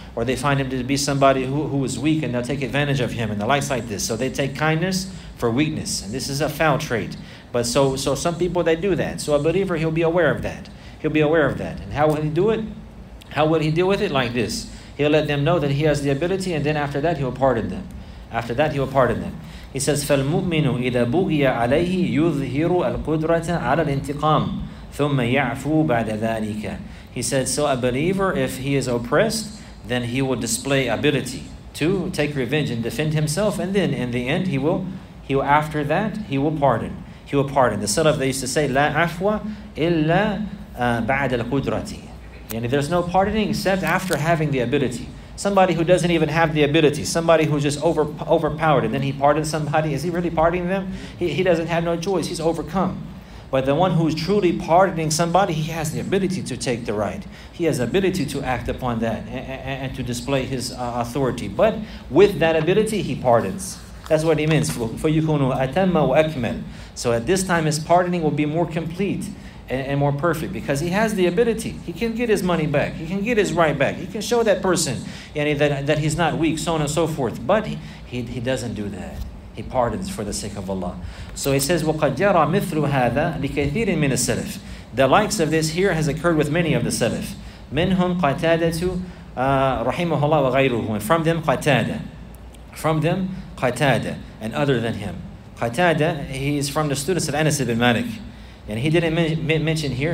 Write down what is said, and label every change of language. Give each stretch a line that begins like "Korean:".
English: Or they find him to be somebody who is weak, and they'll take advantage of him. And the likes like this. So they take kindness for weakness. And this is a foul trait. But so some people, they do that. So a believer, he'll be aware of that. He'll be aware of that. And how will he do it? How will he deal with it? Like this. He'll let them know that he has the ability, and then after that, he'll pardon them. After that, he'll pardon them. He says,
Arabic: فَالْمُؤْمِنُ إِذَا بُغِيَ عَلَيْهِ يُظْهِرُ الْقُدْرَةَ عَلَى الْإِنْتِقَامِ ثُمَّ يَعْفُو بَعْدَ ذَلِكَ.
English: He said, so a believer, if he is oppressed, then he will display ability to take revenge and defend himself. And then in the end, he will pardon. He will pardon. The Salaf, they used to say,
Arabic: لَا عَفْوَ إِلَّا بعد القدرتي.
English: And there's no pardoning except after having the ability. Somebody who doesn't even have the ability, somebody who's just overpowered, and then he pardons somebody, is he really pardoning them? He doesn't have no choice, he's overcome. But the one who's truly pardoning somebody, he has the ability to take the right. He has ability to act upon that and to display his authority. But with that ability, he pardons. That's what he means.
Arabic: فَيُكُونُ أَتَمَّ وَأَكْمَلُ.
English: So at this time, his pardoning will be more complete and more perfect, because he has the ability. He can get his money back. He can get his right back. He can show that person that he's not weak, so on and so forth. But he doesn't do that. He pardons for the sake of Allah. So he says,
Arabic: وَقَدْ جَرَى مِثْلُ هَذَا لِكَثِيرٍ مِنَ السَّلَفِ.
English: The likes of this here has occurred with many of the Salaf.
Arabic: مِنْهُمْ قَتَادَةُ رَحِمُهُ اللَّهُ وَغَيْرُهُ.
English: And from them, Qatada. From them, Qatada. And other than him. Qatada, he is from the students of Anas ibn Malik. And he didn't mention here.